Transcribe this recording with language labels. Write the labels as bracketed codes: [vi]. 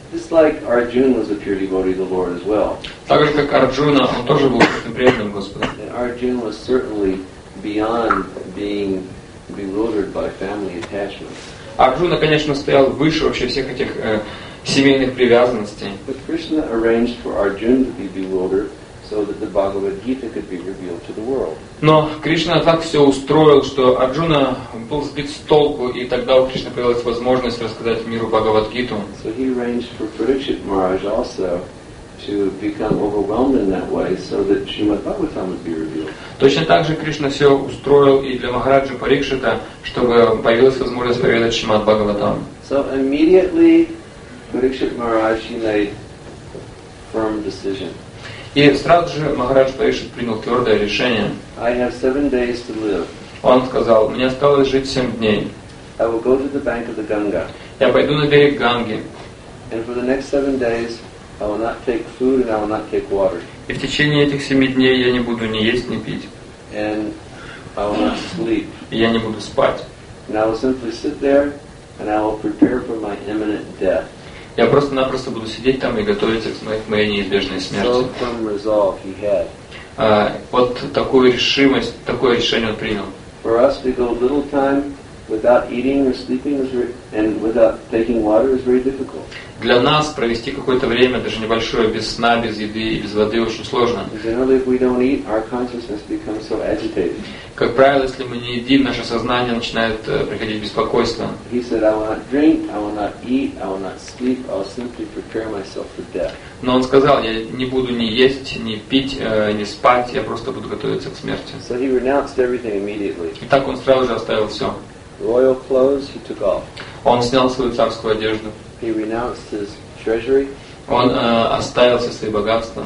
[en] Just like Arjuna was a pure devotee of the Lord as well. [ru] Так же как Арджуна, он тоже был чистым преданным Господа. [en] Arjuna was certainly beyond being bewildered by family attachments. [ru] Арджуна, конечно, стоял выше вообще всех этих семейных привязанностей. [en] But Krishna arranged for Arjuna to be bewildered so that the Bhagavad Gita could be revealed to the world. [ru] Но Кришна так все устроил, что Арджуна был сбит с толку, и тогда у Кришны появилась возможность рассказать миру Бхагавад-гиту. [en] So he arranged for Parikshit Maharaj also to become overwhelmed in that way, so that Srimad Bhagavatam would be revealed. [ru] Точно так же Кришна все устроил и для Махараджи Парикшита, чтобы появилась возможность проведать Шримад Бхагаватам. [en] So immediately Parikshit Maharaj made a firm decision. [ru] И сразу же Махарадж Парикшит принял твердое решение. [en] I have 7 days to live. [ru] Он сказал, мне осталось жить 7 дней. [en] I will go to the bank of the Ganga. [ru] Я пойду на берег Ганги. [en] And for the next 7 days, [ru] И в течение этих 7 дней я не буду ни есть, ни пить. [en] And I will not sleep. [ru] И я не буду спать. [en] And I will simply sit there, and I will prepare for my imminent death. [ru] Я просто-напросто буду сидеть там и готовиться к моей неизбежной смерти. [en] So, [ru] вот такую решимость, такое решение он принял. [en] For us to go little time without eating or sleeping and without taking water is very difficult. [ru] Для нас провести какое-то время, даже небольшое, без сна, без еды и без воды очень сложно. [en] Generally, if we don't eat, our consciousness becomes so agitated. [ru] Как правило, если мы не едим, наше сознание начинает приходить беспокойство. [en] He said, I will not drink, I will not eat, I will not sleep, I will simply prepare myself for death. [ru] Но он сказал, я не буду ни есть, ни пить, ни спать, я просто буду готовиться к смерти. [en] So he renounced everything immediately. [ru] И так он сразу же оставил все. [en] Royal clothes, he took off. [ru] Он снял свою царскую одежду. [en] He renounced his treasury. [ru] Он оставил все свои богатства,